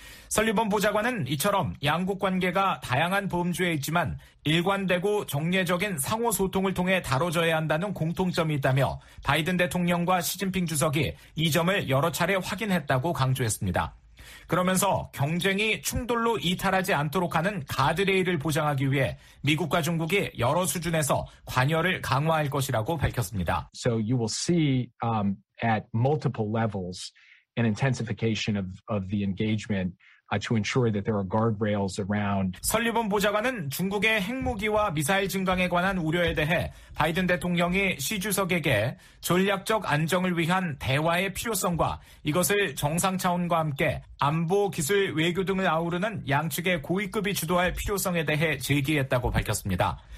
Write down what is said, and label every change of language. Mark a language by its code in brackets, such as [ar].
[ko] 설리번 보좌관은 이처럼 양국 관계가 다양한 범주에 있지만 일관되고 정례적인 상호 소통을 통해 다뤄져야 한다는 공통점이 있다며 바이든 대통령과 시진핑 주석이 이 점을 여러 차례 확인했다고 강조했습니다. 그러면서 경쟁이 충돌로 이탈하지 않도록 하는 가드레일을 보장하기 위해 미국과 중국이 여러 수준에서 관여를 강화할 것이라고 밝혔습니다. [en] So you will see at multiple levels an intensification of the engagement to ensure that there are guardrails around. [ko] 설리번 보좌관은 중국의 핵무기와 미사일 증강에 관한 우려에 대해 바이든 대통령이 시 주석에게 전략적 안정을 위한 대화의 필요성과 이것을 정상 차원과 함께 안보, 기술, 외교 등을 아우르는 양측의 고위급이 주도할 필요성에 대해 제기했다고 밝혔습니다.